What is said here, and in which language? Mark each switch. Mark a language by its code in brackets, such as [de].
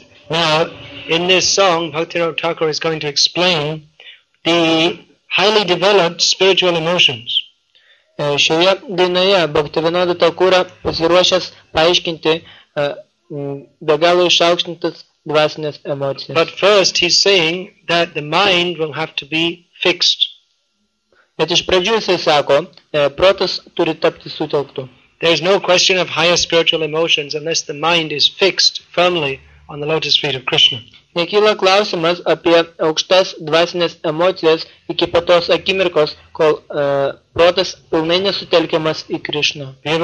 [en] Now, in this song, Bhaktivinoda Thakur is going to explain the highly developed spiritual emotions. [lt] Šioje dainoje Bhaktivinoda Thakura pasiruošęs paaiškinti be galo išaukštintas dvasinės emocijas. [en] But first he's saying that the mind will have to be fixed. [lt] Bet iš pradžių jisai sako, protas turi tapti sutelktu. [en] There is no question of higher spiritual emotions unless the mind is fixed firmly on the lotus feet of Krishna. [lt] Nekyla klausimas apie aukštas dvasinės emocijas iki patos akimirkos, kol protas pilnai nesutelkiamas į Krishna.